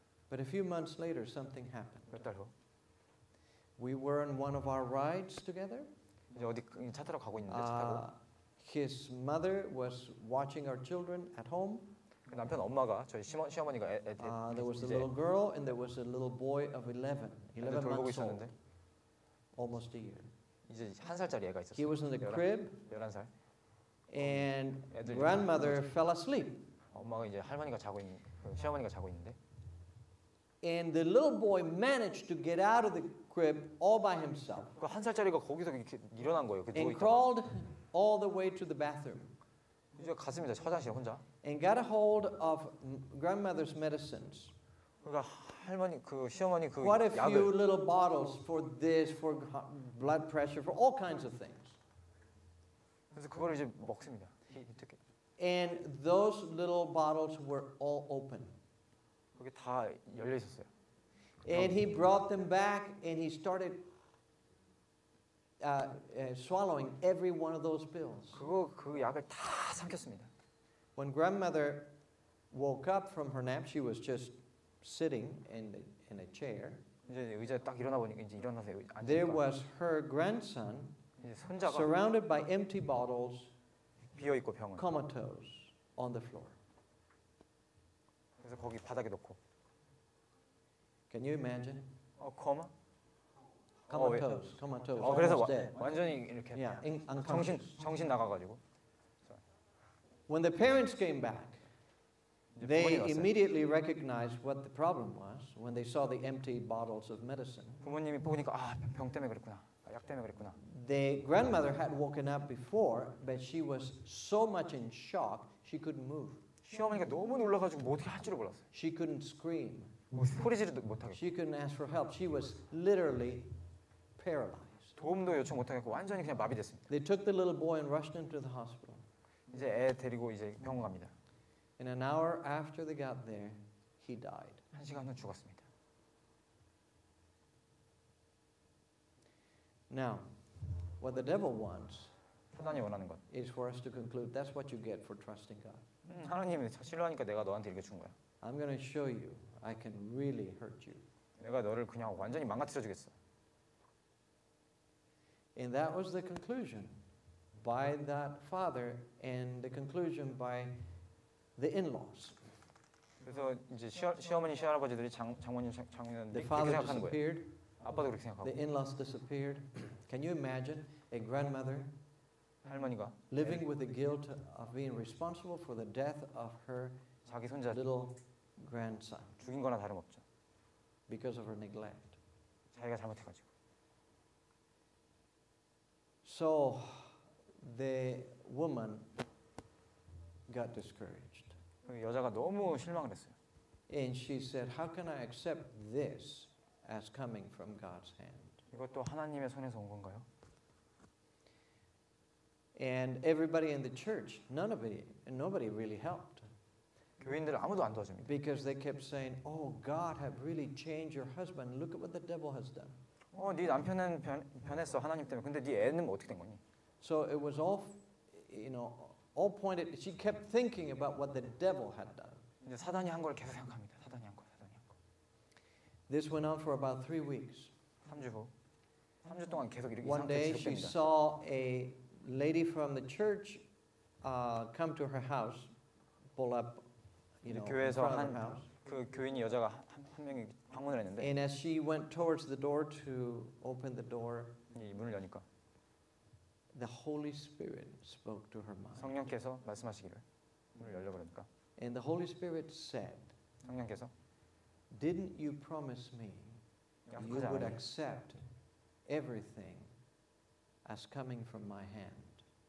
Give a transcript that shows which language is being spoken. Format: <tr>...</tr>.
<en>But a few months later, something happened.</en> <ko>몇 달 후.</ko> <en>We were on one of our rides together.</en> <ko>이제 어디 차 타러 가고 있는데 차 타고.</ko> <en>His mother was watching our children at home.</en> <ko>남편 엄마가 저희 시어머니가 애들</ko> <en>there was a little girl and there was a little boy of 11</en> <ko>돌보고 있었는데</ko> <en>almost a year</en> <ko>이제 한 살짜리 애가 있었어요.</ko> <en>He was in the crib</en> <ko>11살</ko> <en>and grandmother fell asleep.</en> <ko>엄마가 이제 할머니가 자고 있는 시어머니가 자고 있는데</ko> <en>and the little boy managed to get out of the crib all by himself.</en> <ko>그 한 살짜리가 거기서 이렇게 일어난 거예요. 그</ko> <en>and crawled all the way to the bathroom.</en> <ko>이제 갔습니다. 화장실 혼자.</ko> <en>And got a hold of grandmother's medicines.</en> <ko>그러니까 할머니 그 시어머니 그</ko> <en>What</en> <ko>약을.</ko> <en>What a few little bottles for this, for blood pressure, for all kinds of things.</en> <ko>그래서 그걸 이제 먹습니다. 이렇게.</ko> <en>And those little bottles were all open.</en> <ko>그게 다 열려 있었어요.</ko> <en>And he brought them back and he started swallowing every one of those pills.</en> <ko>그 약을 다 삼켰습니다.</ko> <en>When grandmother woke up from her nap, she was just sitting in a chair.</en> <ko>이제 의자 딱 일어나 보니까 이제 일어나서 앉으니까.</ko> <en>There was her grandson, surrounded by empty bottles,</en> <ko>비어 있고 병은</ko> <en>comatose on the floor.</en> <ko>그래서 거기 바닥에 놓고.</ko> <en>Can you imagine?</en> <ko>코마?</ko> <en>Comatose.</en> <ko>그래서 완전히 이렇게 정신 나가가지고.</ko> <en>When the parents came back, they immediately recognized what the problem was when they saw the empty bottles of medicine.</en> <ko>부모님이 보니까 아 병 때문에 그랬구나, 약 때문에 그랬구나.</ko> <en>The grandmother had woken up before, but she was so much in shock she couldn't move.</en> <ko>시어머니가 너무 놀라가지고 뭐 어떻게 할 줄을 몰랐어요.</ko> <en>She couldn't scream.</en> <ko>소리 지르도 못하겠어요.</ko> <en>She couldn't ask for help. She was literally paralyzed.</en> <ko>도움도 요청 못하겠고 완전히 그냥 마비 됐습니다.</ko> <en>They took the little boy and rushed him to the hospital.</en> <ko>이제 애 데리고 이제 병원 갑니다.</ko> <en>In an hour after they got there, he died.</en> <ko>한 시간 후 죽었습니다.</ko> <en>Now, what the devil wants</en> <ko>사단이 원하는 것</ko> <en>is for us to conclude that's what you get for trusting God.</en> <ko>하나님이 신뢰하니까 내가 너한테 이렇게 준 거야.</ko> <en>I'm going to show you I can really hurt you.</en> <ko>내가 너를 그냥 완전히 망가뜨려 주겠어.</ko> <en>And that was the conclusion. By that father and the conclusion by the in-laws.</en> <ko>그래서 이제 시어머니 시할아버지들이 장모님 장모님</ko> <en>the father disappeared.</en> <ko>아빠도 그렇게 생각하고.</ko> <en>The in-laws disappeared. Can you imagine a grandmother</en> <ko>할머니가</ko> <en>living with the guilt of being responsible for the death of her</en> <ko>자기 손자</ko> <en>little grandson.</en> <ko>죽인 거나 다름없죠.</ko> <en>Because of her neglect.</en> <ko>자기가 잘못해 가지고.</ko> <en>So the woman got discouraged.</en> <ko>여자가 너무 실망을 했어요.</ko> <en>And she said, "How can I accept this as coming from God's hand?"</en> <ko>이것도 하나님의 손에서 온 건가요?</ko> <en>And everybody in the church, nobody really helped.</en> <ko>교인들 아무도 안 도와줍니다.</ko> <en>Because they kept saying, "Oh, God have really changed your husband. Look at what the devil has done."</en> <ko>네 남편은 변했어 하나님 때문에. 근데 네 애는 어떻게 된 거니?</ko> <en>So it was all, you know, all pointed. She kept thinking about what the devil had done.</en> <ko>이제 사단이 한 걸 계속 생각합니다. 사단이 한 걸. 사단이</ko> <en>This went on for about 3 weeks.</en> <ko>3주 후. 3주 동안 계속 이렇게</ko> <en>One day she saw a lady from the church come to her house, pull up, you know, in front of her house.</en> <ko>그 교인이 여자가 한 명이 방문을 했는데.</ko> <en>And as she went towards the door to open the door,</en> <ko>문을 여니까.</ko> <en>The Holy Spirit spoke to her mind.</en> <ko>성령께서 말씀하시기를 문을 열려 그러니까.</ko> <en>And the Holy Spirit said,</en> <ko>성령께서.</ko> <en>Didn't you promise me you would accept everything as coming from my hand?</en>